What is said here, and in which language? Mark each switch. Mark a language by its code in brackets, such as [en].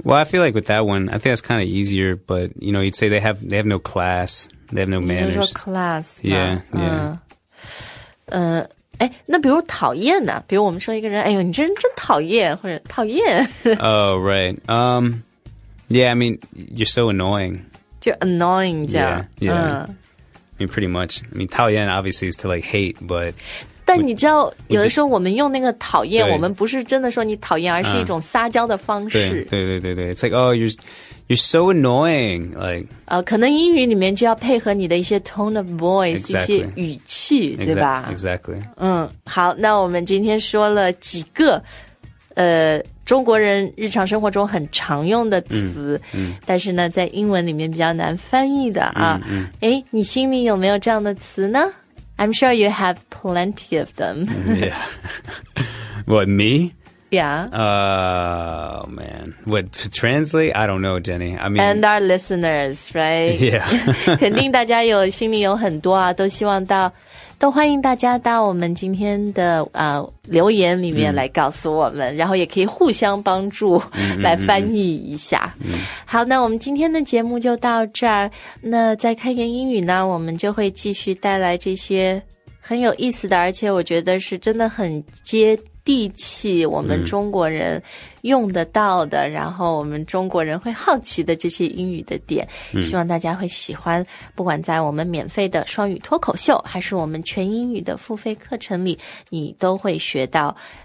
[en] Well, I feel like with that one, I think that's kind of easier, but, you know, you'd say they have no class, They have no manners. [zh] 你就说 class 吗 [en] Yeah. [zh] 哎，那比如讨厌呢？比如我们说一个人，哎呦，你这人真讨厌，或者讨厌。 [en] Oh, right. Yeah, I mean, you're so annoying. [zh] 就 annoying 这样。 [en] Yeah. I mean, pretty much. I mean, 讨厌 obviously is to like hate, but... [zh] 但你知道有的时候我们用那个讨厌我们不是真的说你讨厌而是一种撒娇的方式。对。 [en] It's like, oh, you're so annoying. Like, [zh] 可能英语里面就要配合你的一些 [en] tone of voice,、 exactly. [zh] 一些语气对吧 [en] exactly. [zh] 好那我们今天说了几个中国人日常生活中很常用的词、但是呢在英文里面比较难翻译的啊。哎、你心里有没有这样的词呢 [en] I'm sure you have plenty of them. yeah. What, me? Yeah. Oh, man. What, translate? I don't know, Jenny. I mean, and our listeners, right? Yeah. [zh] 肯定大家有心里有很多啊都希望到都欢迎大家到我们今天的、留言里面来告诉我们、然后也可以互相帮助来翻译一下。好那我们今天的节目就到这儿。那在开言英语呢我们就会继续带来这些很有意思的而且我觉得是真的很接地气我们中国人用得到的、然后我们中国人会好奇的这些英语的点、希望大家会喜欢不管在我们免费的双语脱口秀还是我们全英语的付费课程里你都会学到、